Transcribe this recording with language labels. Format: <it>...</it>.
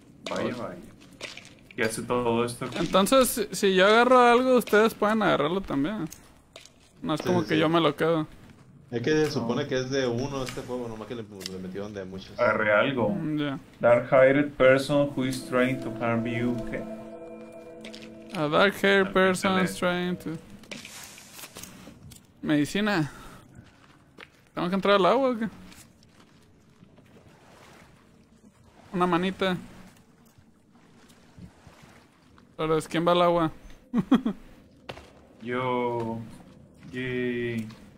<es>Vaya, vaya. ¿Qué hace todo esto aquí? Entonces, si yo agarro algo, ustedes pueden agarrarlo también. No es sí, como sí, que sí. Yo me lo quedo. Es que se supone que es de uno este juego, nomás que le metieron de muchos. Agarré algo.</es> <en>Yeah. Dark hired person who is trying to harm you.</en> <es>¿Qué?</es> <en>A dark haired person is trying to.</en> <es>Medicina. ¿Tengo que entrar al agua o qué? Una manita. Pero es quién va al agua. Yo. Yay.</es>